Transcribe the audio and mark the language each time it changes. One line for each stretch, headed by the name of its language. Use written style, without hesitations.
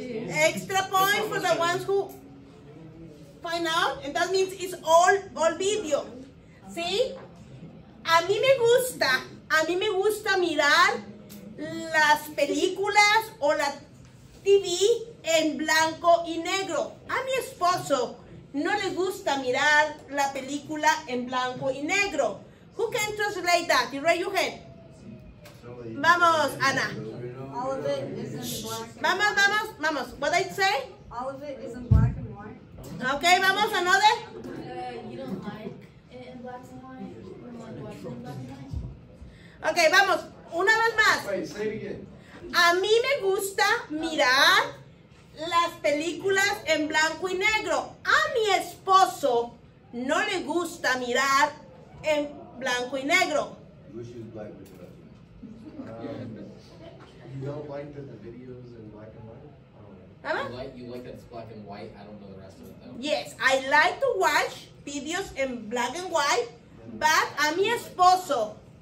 English: Extra point for the ones who find out. And that means it's all video, see?
Spanish: A mí me gusta mirar las películas o la TV en blanco y negro. A mi esposo no le gusta mirar la película en blanco y negro.
English: Who can translate that? You raise your hand. Vamos, Ana. All of it isn't black. Vamos. What did I say? All of it isn't black and white. Okay, vamos, another. You don't like it in black and white. You don't like watching in black and white.
Spanish: Okay, vamos. Una vez más.
English: Wait, say it again.
Spanish: A mí me gusta mirar las películas en blanco y negro. A mi esposo no le gusta mirar en blanco y negro.
English: You don't like that the videos in black and white? I don't know. You like that it's black and white. I don't know the rest of it though. Yes, I like to watch videos in black and white, but
Spanish: a mi esposo.